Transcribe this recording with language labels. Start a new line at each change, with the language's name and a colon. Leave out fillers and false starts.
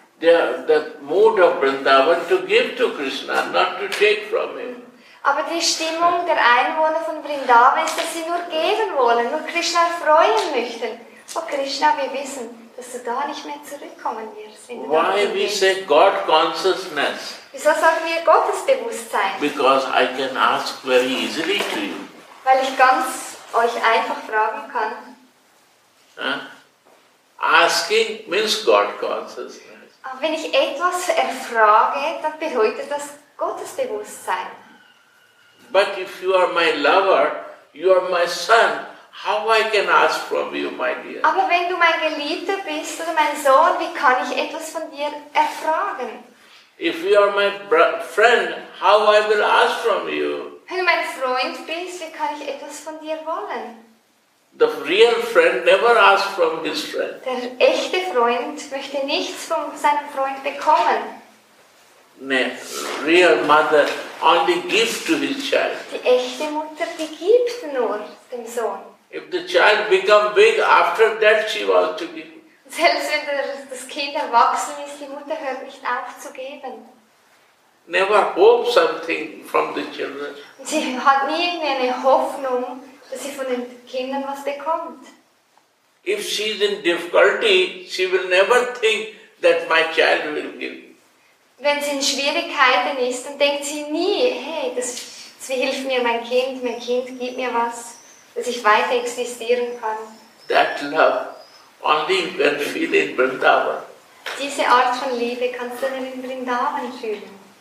English: They are the mood of Vrindavan to give to Krishna, not to take from him.
German: Aber die Stimmung der Einwohner von Vrindavan ist, dass sie nur geben wollen, nur Krishna erfreuen möchten. Oh Krishna, wir wissen, dass du da nicht mehr zurückkommen wirst.
English: Why we say God consciousness?
German: Wieso sagen wir Gottesbewusstsein?
English: Because I can ask very easily to you.
German: Weil ich ganz euch einfach fragen kann.
English: Asking means God consciousness.
German: Aber wenn ich etwas erfrage, dann bedeutet das Gottesbewusstsein.
English: But if you are my lover, you are my son. How I can ask from you, my dear?
German: Aber wenn du mein Geliebter bist oder mein Sohn, wie kann ich etwas von dir erfragen?
English: If you are my friend, how I will ask from you?
German: Wenn du mein Freund bist, wie kann ich etwas von dir wollen?
English: The real friend never asks from his friend.
German: Der echte Freund möchte nichts von seinem Freund bekommen.
English: Nee, real mother only gives to his child.
German: Die echte Mutter, die gibt nur dem Sohn.
English: If the child become big, after that she wants to give.
German: Selbst wenn das Kind erwachsen ist, die Mutter hört nicht auf zu geben.
English: Never hope something from the children.
German: Und sie hat nie irgendwie eine Hoffnung, dass sie von den Kindern was bekommt.
English: If she's in difficulty, she will never think that my child will give.
German: Wenn sie in Schwierigkeiten ist, dann denkt sie nie, hey, das hilft mir mein Kind gibt mir was, dass ich weiter existieren kann.
English: That love only you can feel in Vrindavan.
German: Diese Art von Liebe kannst du nur in Vrindavan fühlen.